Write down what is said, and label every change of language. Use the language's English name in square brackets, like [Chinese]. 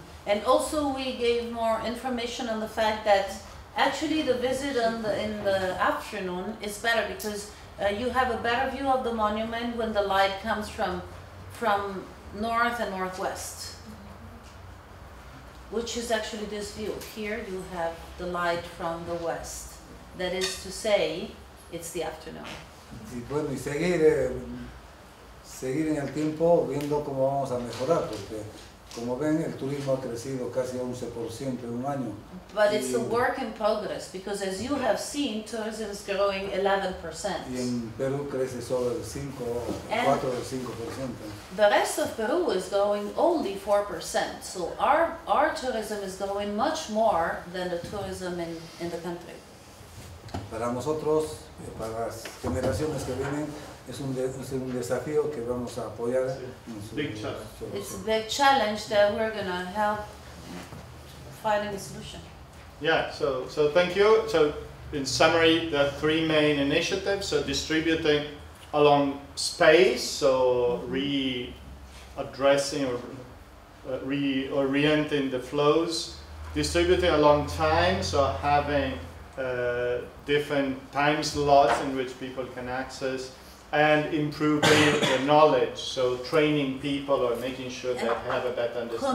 [English] And also we gave more information on the fact that actually the visit in the afternoon is better because you have a better view of the monument when the light comes from north and northwest, which is actually this view. Here you have the light from the west. That is to say, it's the afternoon. [Spanish] Y bueno, y seguir en el tiempo viendo cómo vamos a mejorar, porque como ven, el turismo ha crecido casi 11% en un año. [English] But it's a work in progress, because as you have seen, tourism is growing 11%. [Spanish] Y en Perú crece solo el 4 o 5%. [English] The rest of Peru is growing only 4%. So our tourism is growing much more than the tourism in the country. [Spanish] Para nosotros, para las generaciones que vienen, es un desafío que vamos a apoyar. [English] It's a big challenge that we're going to help finding a solution. Yeah, so thank you. So in summary, the 3 main initiatives, so distributing along space, so readdressing or reorienting the flows, distributing along time, so having different time slots in which people can access, and improving the knowledge, so training people or making sure that they have a better understanding.